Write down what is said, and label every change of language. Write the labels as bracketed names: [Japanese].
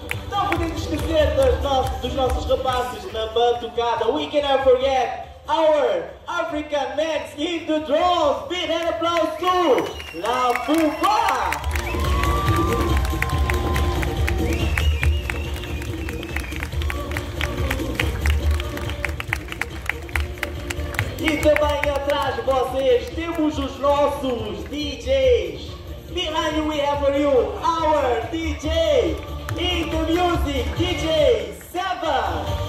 [Portuguese] Não podemos esquecer dos nossos rapazes na batucada. [English] We cannot forget our African men in the drums. Big hand applause to La Fufa. [Portuguese] E também atrás de vocês temos os nossos DJs. [English] Behind we have for you our DJ in the music, DJ Seba.